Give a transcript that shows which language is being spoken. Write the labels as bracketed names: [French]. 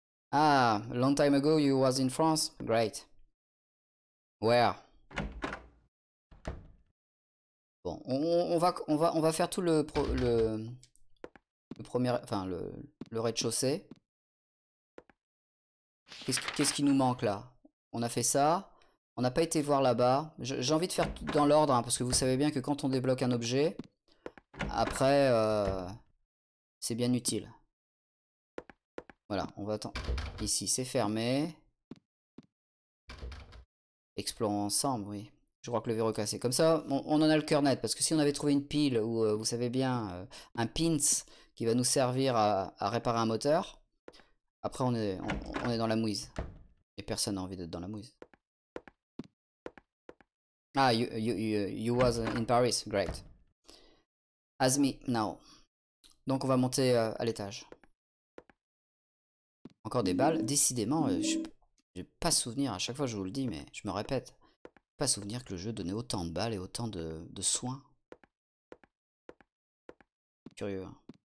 [English] Ah, long time ago you was in France? Great. Where? [French] Bon, on va faire tout le premier, enfin le rez-de-chaussée. Qu'est-ce qui nous manque là? On a fait ça. On n'a pas été voir là-bas. J'ai envie de faire tout dans l'ordre, hein, parce que vous savez bien que quand on débloque un objet, après, c'est bien utile. Voilà, on va attendre. Ici, c'est fermé. Explorons ensemble, oui. Je crois que le verrou est cassé. Comme ça, on en a le cœur net, parce que si on avait trouvé une pile, ou vous savez bien, un pins qui va nous servir à réparer un moteur, après, on est dans la mouise. Et personne n'a envie d'être dans la mouise. [English] Ah, you was in Paris, great. As me now. [French] Donc on va monter à l'étage. Encore des balles. Décidément, je n'ai pas souvenir, à chaque fois je vous le dis, mais je me répète. Pas souvenir que le jeu donnait autant de balles et autant de soins. Curieux. Hein.